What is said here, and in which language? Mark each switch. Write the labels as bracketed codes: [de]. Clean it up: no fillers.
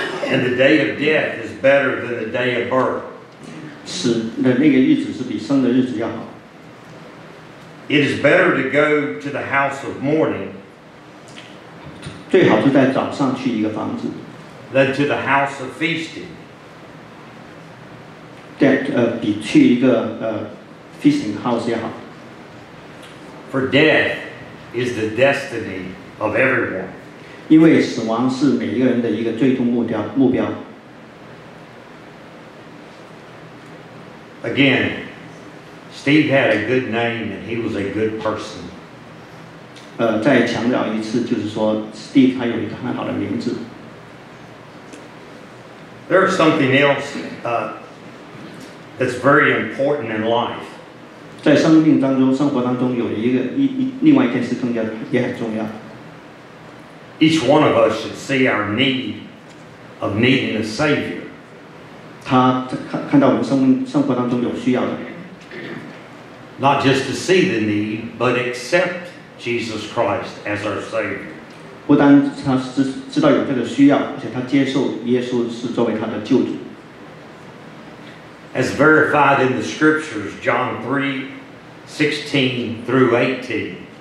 [en] And the day of death is better than the day of birth. [zh] 死的那个日子是比生的日子要好。 [en] It is better to go to the house of mourning. [zh] 最好是在早上去一个房子。 [en] Than to the house of feasting. [zh] 比去一个 [en] feasting house [zh] 也好。 [en] For death is the destiny of everyone. [zh] 因为死亡是每一个人的一个最终目标。 [en] Again, Steve had a good name and he was a good person. [zh] 再强调一次，就是说 Steve 他有一个很好的名字。 [en] There is something else. That's very important in life. [zh] 在生命当中，生活当中有另外一件事更加也很重要。 [en] Each one of us should see our need of needing a savior. [zh] 他看到我们生活当中有需要的。 [en] Not just to see the need, but accept Jesus Christ as our savior. [zh] 不单他知道有这个需要，而且他接受耶稣是作为他的救主。 [en] As verified in the scriptures, John 3:16-18.